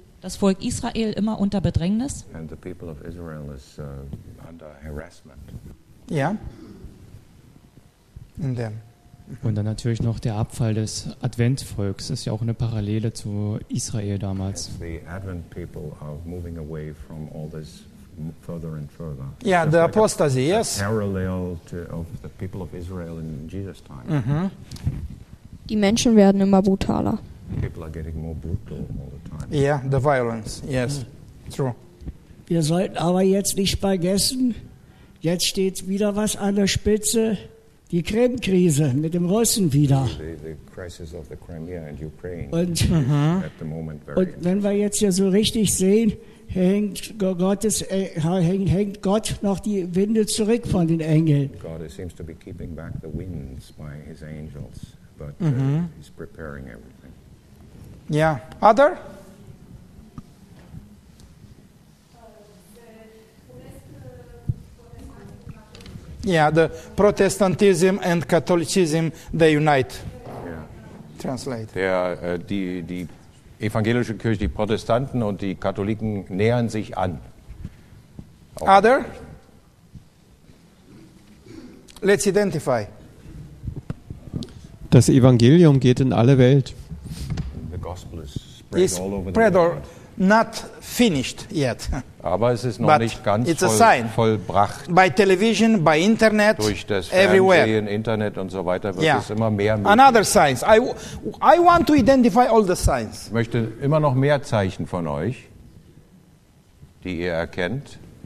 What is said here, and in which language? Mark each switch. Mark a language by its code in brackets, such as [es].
[de] Das Volk Israel immer unter Bedrängnis. [en] And the people of Israel is under harassment. Yeah. And then. [de] Und dann natürlich noch der Abfall des Adventvolks. Das ist ja auch eine Parallele zu Israel damals. [en] The Advent people are moving away from all this further and further. Yeah, the apostasy, yes. Parallel to of the people of Israel in Jesus' time. [de] Die Menschen werden immer brutaler. [en] People are getting more brutal all the time. Yeah, the violence, yes, true. [de] Wir sollten aber jetzt nicht vergessen, jetzt steht wieder was an der Spitze. Die Krim-Krise mit dem Russen wieder. Und wenn wir jetzt hier so richtig sehen, hängt Gott noch die Winde zurück von den Engeln. [en] God seems to be keeping back the winds by his angels, but he's preparing everything. Yeah. Other? Yeah, the Protestantism and Catholicism, they unite. translate. [de] Die evangelische Kirche, die Protestanten und die Katholiken nähern sich an. [en] Okay. Other? Let's identify. [de] Das Evangelium geht in alle Welt. [en] The gospel is spread it's all over spread the world. Not finished yet. [de] Aber es ist noch [en] but [de] nicht ganz [en] it's a sign. [de] Vollbracht. [en] By television, by internet, [de] durch das [en] everywhere. [de] Fernsehen, Internet und so weiter wird yeah. es immer mehr möglich. [en] Another signs. I want to identify all the signs. [de] Ich möchte immer noch mehr Zeichen von euch, die ihr erkennt.